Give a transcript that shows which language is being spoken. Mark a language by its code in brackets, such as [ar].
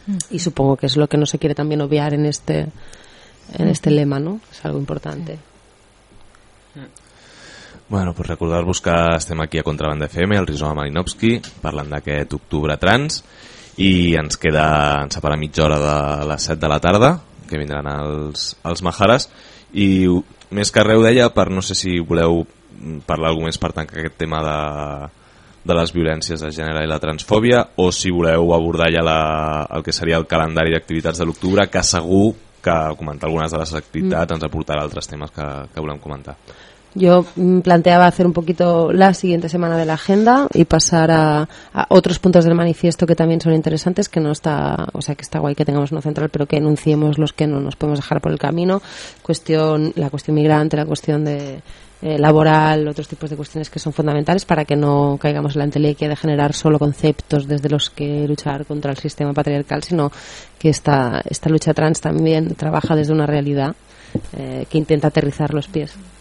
[es] Y supongo que es lo que no se quiere también obviar en este lema, ¿no? Es algo importante. [ca] Bueno, pues recordar-vos que estem aquí a Contrabanda FM, el Rizoma Malinowski, parlant d'aquest octubre trans, i ens queda, ens separa mitja hora de les 7 de la tarda, que vindran els Majares, i més que res ho deia, per no sé si voleu parlar alguna cosa més per tancar aquest tema de les violències de gènere i la transfòbia, o si voleu abordar ja el que seria el calendari d'activitats de l'octubre, que segur que comentar algunes de les activitats ens aportarà altres temes que volem comentar. [es] Yo planteaba hacer un poquito la siguiente semana de la agenda y pasar a otros puntos del manifiesto que también son interesantes, que no está, o sea, que está guay que tengamos uno central, pero que enunciemos los que no nos podemos dejar por el camino. La cuestión migrante, la cuestión de laboral, otros tipos de cuestiones que son fundamentales para que no caigamos en la entelequia de generar solo conceptos desde los que luchar contra el sistema patriarcal, sino que esta lucha trans también trabaja desde una realidad que intenta aterrizar los pies.